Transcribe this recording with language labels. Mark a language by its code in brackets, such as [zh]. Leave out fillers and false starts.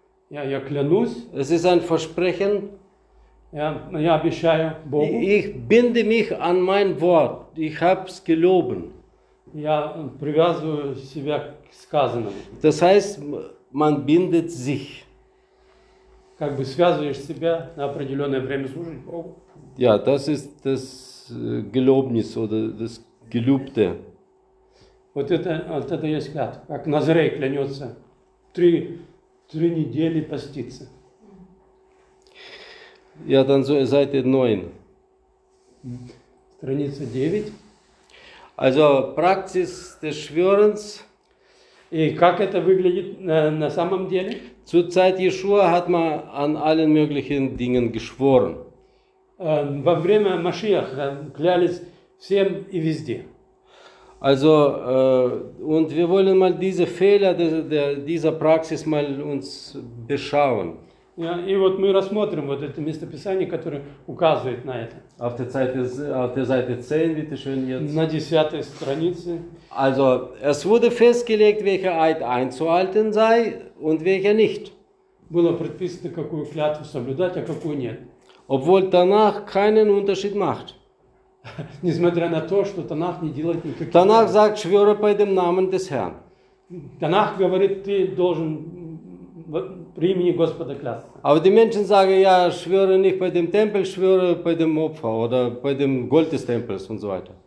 [ru] Ja, я клянусь. [de] Es ist ein Versprechen. [ru] Ja, я обещаю Богу. [de] Ich binde mich an mein Wort. Ich hab's geloben. [ru] Я привязываю себя к сказанному. [de] Das heißt, man bindet sich. [ru] Как бы связываешь себя на определенное время служить Богу. [de] Ja, das ist das Gelobnis oder das Gelübde. [ru] Вот это есть клятва, как Назарей клянется три недели поститься. [de] Ja, dann so Seite 9. [ru] Страница 9. [de] Also Praxis des Schwörens. [ru] И как это выглядит на самом деле? [de] Zur Zeit Jeschua hat man an allen möglichen Dingen geschworen. [ru] Во время Машиаха клялись всем и везде. [de] Also, und wir wollen mal diese Fehler dieser Praxis mal uns beschauen. [ru] Ja, и вот мы рассмотрим вот это местописание, которое указывает на это. [de] Auf der Seite 10, bitte schön jetzt. [ru] На 10 странице. [de] Also, es wurde festgelegt, welcher Eid einzuhalten sei und welcher nicht. [ru] Было предписано, какую клятву соблюдать, а какую нет. [de] Obwohl Tanach keinen Unterschied macht. [ru] Несмотря на то, что Танах не делает никаких. [de] Танах sagt, schwöre bei dem Namen des Herrn. [ru] Танах говорит, ты должен при имени Господа клясться. [de] Aber die Menschen sagen, ja, schwöre nicht bei dem Tempel, schwöre bei dem Opfer oder bei dem Gold des Tempels und so weiter.